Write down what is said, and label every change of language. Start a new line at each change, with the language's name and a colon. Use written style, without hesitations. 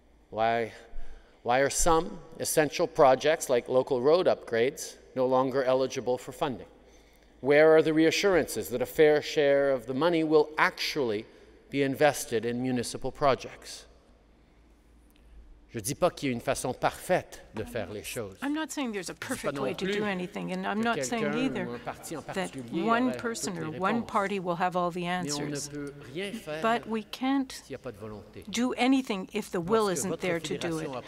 English: Why are some essential projects like local road upgrades no longer eligible for funding? Where are the reassurances that a fair share of the money will actually be invested in municipal projects?
French: Je dis pas qu'il y a une façon parfaite de faire les choses.
English: I'm not saying there's a perfect way to do anything, and I'm not saying either that one person or one party will have all the answers. But we can't do anything if the will isn't there to do it.